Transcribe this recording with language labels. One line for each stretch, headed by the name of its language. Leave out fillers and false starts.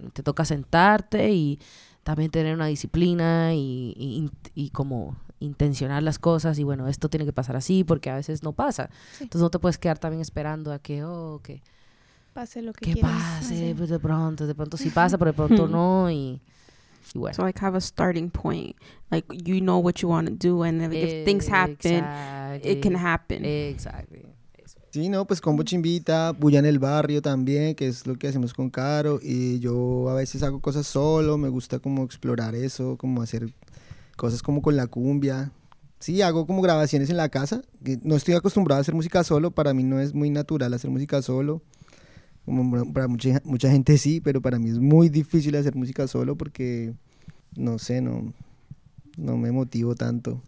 Spanish: Te toca sentarte y también tener una disciplina y como intencionar las cosas. Y bueno, esto tiene que pasar así porque a veces no pasa. Sí. Entonces no te puedes quedar también esperando a que, que pase lo que quieras. Que pase, sí. Pues de pronto sí pasa, pero de pronto no. Y bueno.
English: So like have a starting point. Like you know what you want to do, and if things happen, it can happen. Exactly.
Spanish: Sí, no, pues Combo Chimbita, Bulla en el Barrio también, que es lo que hacemos con Caro, y yo a veces hago cosas solo, me gusta como explorar eso, como hacer cosas como con la cumbia. Sí, hago como grabaciones en la casa, no estoy acostumbrado a hacer música solo, para mí no es muy natural hacer música solo, como para mucha gente sí, pero para mí es muy difícil hacer música solo porque, no sé, no me motivo tanto.